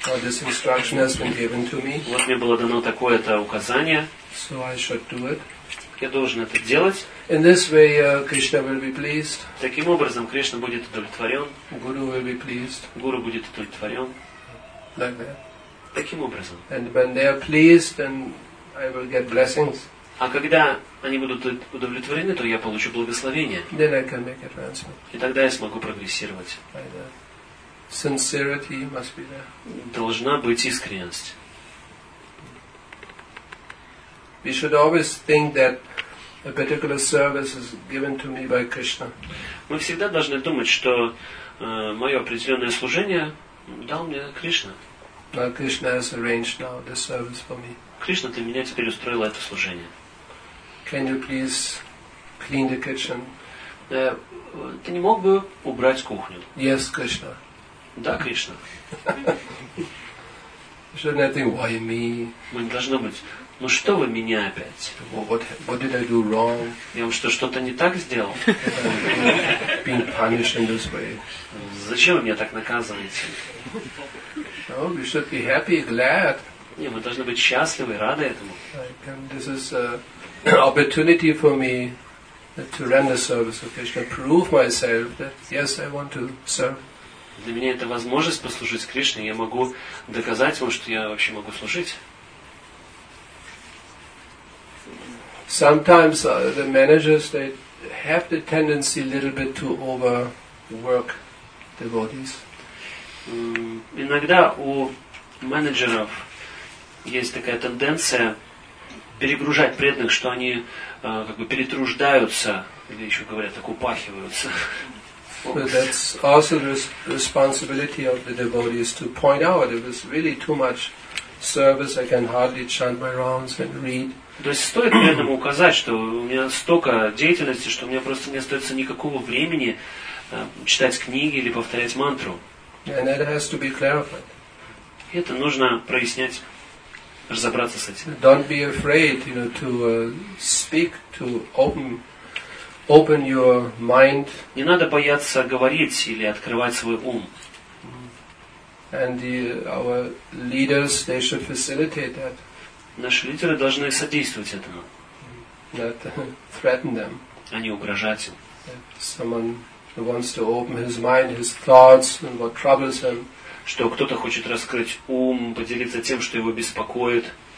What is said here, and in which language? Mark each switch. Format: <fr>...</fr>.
<en>This instruction has been given to me.</en> <ru>Вот мне было дано такое-то указание.</ru> <en>So I should do it.</en> <ru>Я должен это делать.</ru> <en>In this way, Krishna will be pleased.</en> <ru>Таким образом, Кришна будет удовлетворен.</ru> <en>Guru will be pleased.</en> <ru>Гуру будет удовлетворен.</ru> <en>Like that.</en> <ru>Таким образом.</ru> <en>And when they are pleased, then I will get blessings.</en> <ru>А когда они будут удовлетворены, то я получу благословение.</ru> <en>Then I can make advancement.</en> <ru>И тогда я смогу прогрессировать.</ru> <en>Like that. Sincerity must be there.</en> <ru>Должна быть искренность.</ru> <en>We should always think that a particular service is given to me by Krishna.</en> <ru>Мы всегда должны думать, что мое определенное служение дал мне Кришна.</ru> <en>Now Krishna has arranged now this service for me.</en> <ru>Кришна, ты меня теперь устроила это служение.</ru> <en>Can you please clean the kitchen?</en> <ru>Ты не мог бы убрать кухню?</ru> <en>Yes, Krishna.</en> <ru>Да, Кришна.</ru> <en>Shouldn't I think, why me?</en> <ru>Мы не должны быть. Ну что вы меня опять?</ru> <en>What did I do wrong?</en> <ru>Я вам что-то не так сделал?</ru> <en>Being punished in this way.</en> <ru>Зачем вы меня так наказываете?</ru> <en>No, we should be happy, glad.</en> <ru>Не, мы должны быть счастливы, рады этому.</ru> <en>This is opportunity for me to render service to Krishna, prove myself that yes, I want to serve.</en> <ru>Для меня это возможность послужить Кришне. Я могу доказать вам, что я вообще могу служить.</ru> <en>Sometimes the managers they have the tendency a little bit to overwork devotees.</en> <ru>Иногда у менеджеров есть такая тенденция перегружать преданных, что они как бы перетруждаются, или еще говорят, так упахиваются.</ru> <en>So that's also the responsibility of the devotees to point out it was really too much service, I can hardly chant my rounds and read.</en> <ru>То есть стоит преданному указать, что у меня столько деятельности, что у меня просто не остается никакого времени читать книги или повторять мантру.</ru> <en>And that has to be clarified.</en> <ru>И это нужно прояснять. Разобраться с этим.</ru> <en>Don't be afraid, you know, to speak, to open your mind.</en> <ru>Не надо бояться говорить или открывать свой ум.</ru> <en>And our leaders, they should facilitate that.</en> <ru>Наши лидеры должны содействовать этому.</ru> <en>Not threaten them.</en> <ru>А не угрожать им.</ru> <en>Someone wants to open his mind, his thoughts, and what troubles him.</en> <ru>Что кто-то хочет раскрыть ум, поделиться тем, что его беспокоит.</ru>